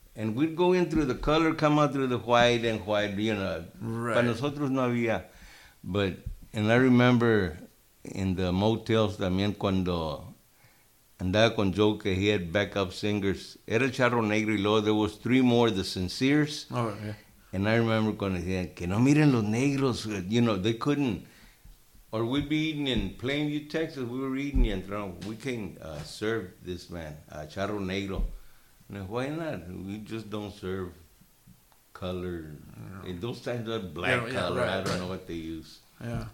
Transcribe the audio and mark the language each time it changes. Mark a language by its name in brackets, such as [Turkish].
[English] And we'd go in through the color, come out through the white and white, you know. Right. [Spanish] Para nosotros no había. [English] And I remember in the motels [Spanish] también cuando andaba con Joe, que [English] he had backup singers. [Spanish] Era [English] Charro Negro [Spanish] y luego [English] there was three more, the Sincere's. Oh, yeah. And I remember [Spanish] cuando decían, que no miren los negros. [English] You know, they couldn't. Or we'd be eating in Plainview, Texas. We were eating and thrown, "We can't serve this man, Charro Negro." And like, why not? We just don't serve color. In those times, that black color. Right. I don't know what they use. Yeah.